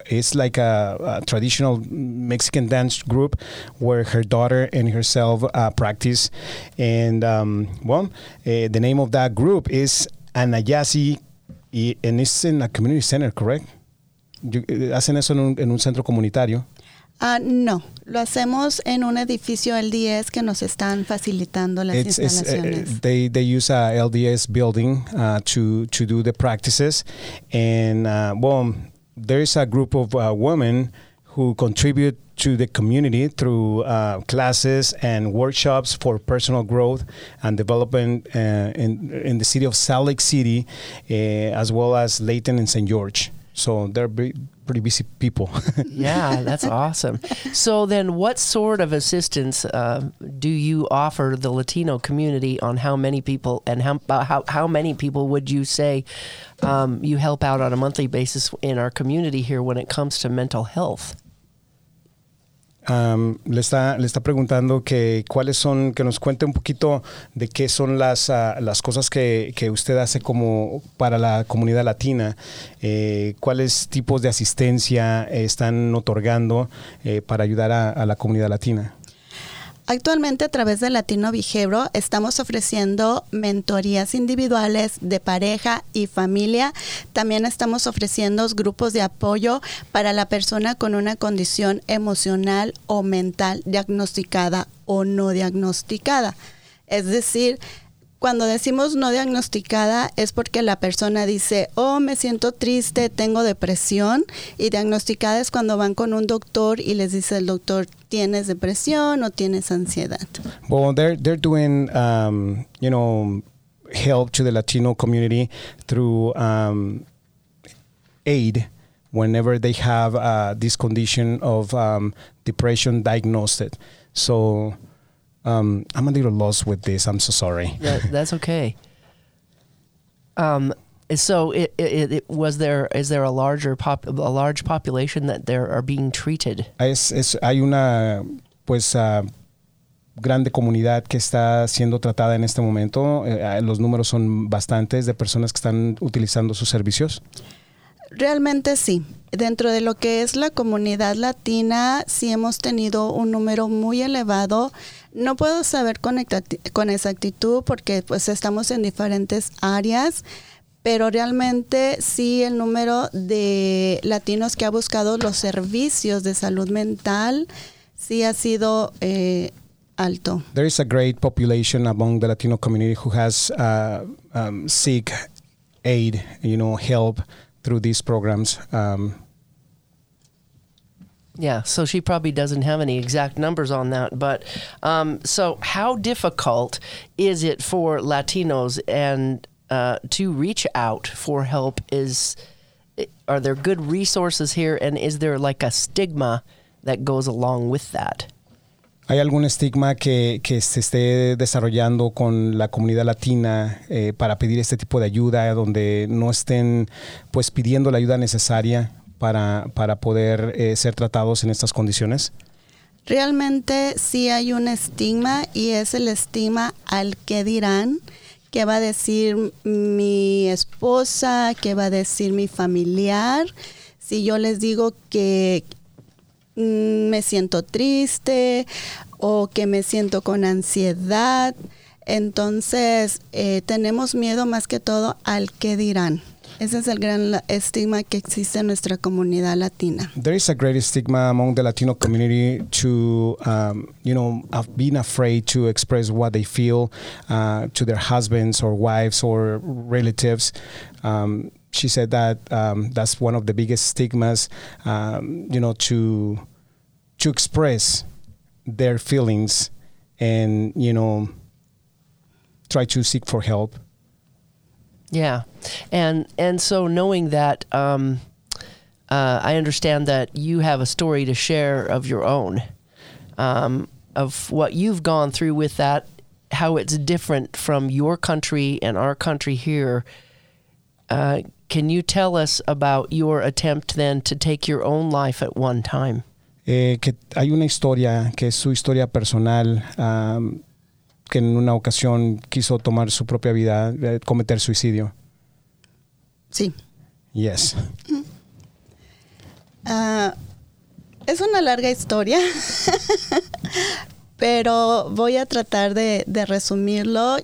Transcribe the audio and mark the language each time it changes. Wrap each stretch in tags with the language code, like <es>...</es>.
<en>It's like a traditional Mexican dance group where her daughter and herself practice. And the name of that group is Anayansi, and it's in a community center, correct?</en> <es>¿Hacen eso en un centro comunitario? No, lo hacemos en un edificio LDS que nos están facilitando las instalaciones.</es> <en>They use a LDS building to do the practices, and there is a group of women who contribute to the community through classes and workshops for personal growth and development in the city of Salt Lake City, as well as Layton and St. George. So they're pretty busy people. Yeah, that's awesome. So then what sort of assistance do you offer the Latino community on how many people and how many people would you say you help out on a monthly basis in our community here when it comes to mental health?</en> <es>Le está preguntando que cuáles son, que nos cuente un poquito de qué son las cosas que usted hace como para la comunidad latina, cuáles tipos de asistencia están otorgando para ayudar a la comunidad latina. Actualmente, a través de Latino Behavioral, estamos ofreciendo mentorías individuales de pareja y familia. También estamos ofreciendo grupos de apoyo para la persona con una condición emocional o mental diagnosticada o no diagnosticada. Es decir, cuando decimos no diagnosticada es porque la persona dice, oh, me siento triste, tengo depresión. Y diagnosticada es cuando van con un doctor y les dice el doctor, ¿tienes depresión o tienes ansiedad?</es> <en>Well, they're doing, help to the Latino community through aid whenever they have this condition of depression diagnosed. So I'm a little lost with this. I'm so sorry. That's okay. Is there a large population that there are being treated?</en> <es>Es hay una pues grande comunidad que está siendo tratada en este momento? Los números son bastantes de personas que están utilizando sus servicios. Realmente sí. Dentro de lo que es la comunidad latina, sí hemos tenido un número muy elevado. No puedo saber con exactitud porque pues estamos en diferentes áreas, pero realmente sí el número de latinos que ha buscado los servicios de salud mental sí ha sido alto.</es> <en>There is a great population among the Latino community who has seek aid, you know, help through these programs. Yeah, so she probably doesn't have any exact numbers on that, but so how difficult is it for Latinos and to reach out for help? Are there good resources here, and is there like a stigma that goes along with that?</en> <es>¿Hay algún estigma que se esté desarrollando con la comunidad latina para pedir este tipo de ayuda, donde no estén pues pidiendo la ayuda necesaria para poder ser tratados en estas condiciones? Realmente sí hay un estigma, y es el estigma al qué dirán, qué va a decir mi esposa, qué va a decir mi familiar, si yo les digo que me siento triste o que me siento con ansiedad. Entonces tenemos miedo más que todo al qué dirán. Ese es el gran estigma que existe en nuestra comunidad latina.</es> <en>There is a great stigma among the Latino community to, you know, being afraid to express what they feel to their husbands or wives or relatives. She said that that's one of the biggest stigmas, you know, to express their feelings and, you know, try to seek for help. Yeah. And so knowing that, I understand that you have a story to share of your own, of what you've gone through with that, how it's different from your country and our country here. Can you tell us about your attempt then to take your own life at one time?</en> <es>Que hay una historia, que es su historia personal, que en una ocasión quiso tomar su propia vida, cometer suicidio. Sí.</es> <en>Yes.</en> <es>Es una larga historia, pero voy a tratar de resumirlo.</es>